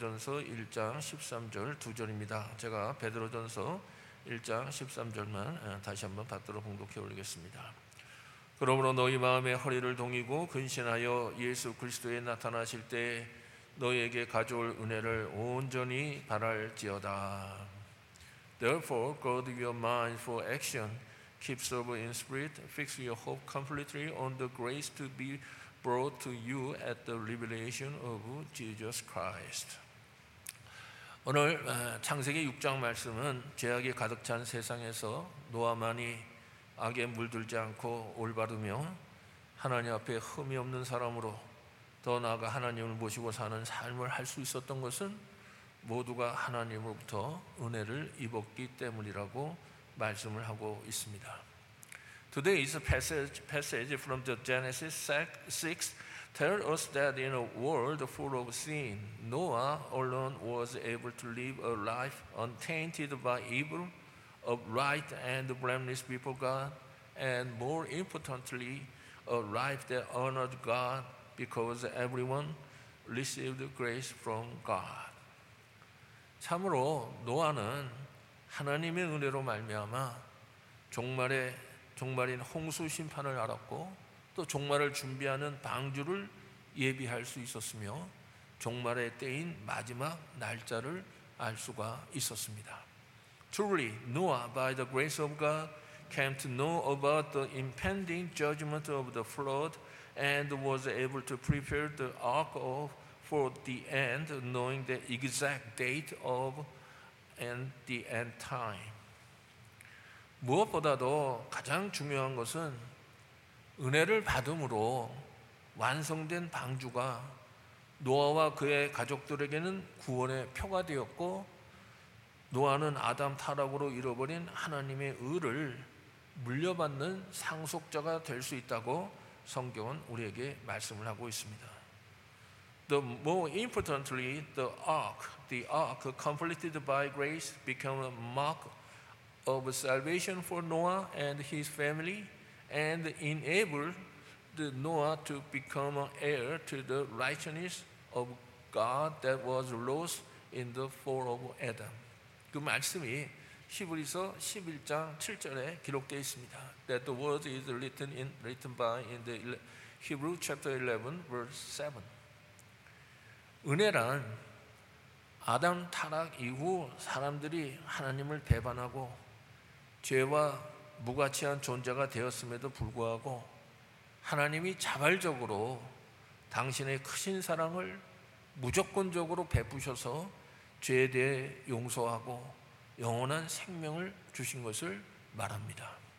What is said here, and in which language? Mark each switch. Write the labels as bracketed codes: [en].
[ko] 베드로전서 1장 13절 두 절입니다. 제가 베드로전서 1장 13절만 다시 한번 받도록 봉독해 올리겠습니다. 그러므로 너희 마음의 허리를 동이고 근신하여 예수 그리스도에 나타나실 때 너희에게 가져올 은혜를 온전히 바랄지어다. [en] Therefore, gird your mind for action. Keep sober in spirit. Fix your hope completely on the grace to be brought to you at the revelation of Jesus Christ. [ko] 오늘 창세기 6장 말씀은 죄악이 가득 찬 세상에서 노아만이 악에 물들지 않고 올바르며 하나님 앞에 흠이 없는 사람으로 더 나아가 하나님을 모시고 사는 삶을 할 수 있었던 것은 모두가 하나님으로부터 은혜를 입었기 때문이라고 말씀을 하고 있습니다. [en] Today is a passage from the Genesis 6 tells us that in a world full of sin, Noah alone was able to live a life untainted by evil, upright and blameless before God, and more importantly, a life that honored God because everyone received grace from God. [ko] 참으로 노아는 하나님의 은혜로 말미암아 종말인 홍수 심판을 알았고 또 종말을 준비하는 방주를 예비할 수 있었으며 종말의 때인 마지막 날짜를 알 수가 있었습니다. [en] Truly, Noah, by the grace of God, came to know about the impending judgment of the flood and was able to prepare the ark for the end, knowing the exact date of and the end time. [ko] 무엇보다도 가장 중요한 것은 은혜를 받음으로 완성된 방주가 노아와 그의 가족들에게는 구원의 표가 되었고 노아는 아담 타락으로 잃어버린 하나님의 의를 물려받는 상속자가 될 수 있다고 성경은 우리에게 말씀을 하고 있습니다. [en] The more importantly, the ark completed by grace became a mark of salvation for Noah and his family and enabled Noah to become an heir to the righteousness of God that was lost in the fall of Adam. [ko] 그 말씀이 히브리서 11장 7절에 기록되어 있습니다. [en] That the word is written in the Hebrew chapter 11 verse 7. [ko] 은혜란 아담 타락 이후 사람들이 하나님을 배반하고 죄와 무가치한 존재가 되었음에도 불구하고 하나님이 자발적으로 당신의 크신 사랑을 무조건적으로 베푸셔서 죄에 대해 용서하고 영원한 생명을 주신 것을 말합니다.